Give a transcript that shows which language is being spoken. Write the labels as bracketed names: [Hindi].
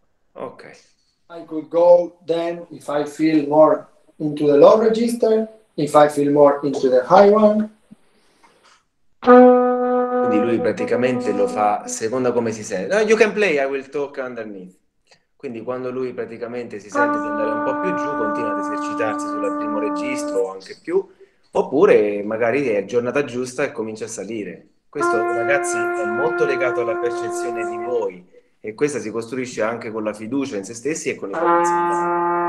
[English] If I feel more into the low register, if I feel more into the high one. [Italian] Quindi lui praticamente lo fa secondo come si sente. [English] No, you can play, I will talk underneath. [Italian] Quindi quando lui praticamente si sente di andare un po' più giù, continua ad esercitarsi sul primo registro o anche più, oppure magari è giornata giusta e comincia a salire. Questo, ragazzi, è molto legato alla percezione di voi, e questa si costruisce anche con la fiducia in se stessi e con i propri.